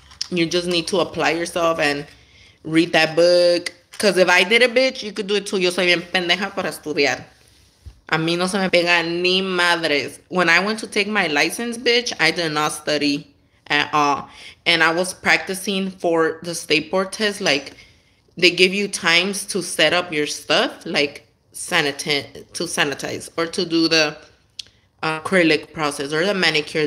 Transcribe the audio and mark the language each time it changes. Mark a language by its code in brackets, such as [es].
[en] You just need to apply yourself and read that book. Because if I did it, bitch, you could do it too. [es] Yo soy bien pendeja para estudiar. A mí no se me pega ni madres. [en] When I went to take my license, bitch, I did not study at all. And I was practicing for the state board test. Like, they give you times to set up your stuff. Like, sanitize or to do the acrylic process or the manicure.